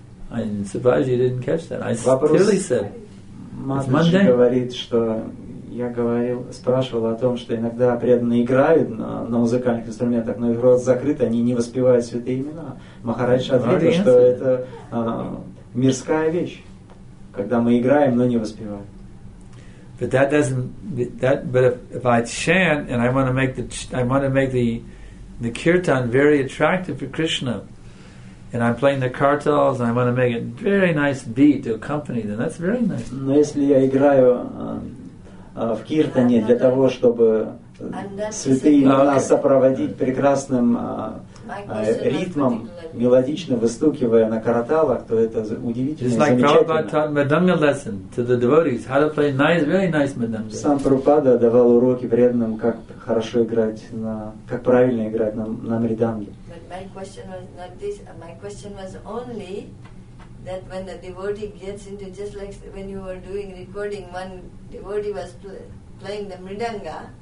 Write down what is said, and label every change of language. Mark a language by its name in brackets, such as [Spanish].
[English] I'm surprised you didn't catch that. I clearly said it's mundane. [Russian] Говорит, что я говорил, спрашивал о том, что иногда преданные играют на музыкальных инструментах, но их рот закрыт, они не воспевают святые имена. Махарадж ответил, что это мирская вещь, когда мы играем, но не воспеваем. [English] But that doesn't. That, but if I chant and I want to make the I want to make the kirtan very attractive for Krishna, and I'm playing the kartals, and I want to make a very nice beat to accompany them, that's very nice. [Russian] Но если я играю в киртане для того, чтобы святые имена сопроводить прекрасным ритмом, мелодично выстукивая на караталах, то это удивительно. [English] It's like Prabhupada taught madanga lesson to the devotees, how to play nice, very nice madanga. [Russian] Сам Прабхупада давал уроки преданным, как хорошо играть на, как правильно играть на мриданге. [English] But my question was not this. My question was only that when the devotee gets into, just like when you were doing recording, one devotee was playing the mridanga.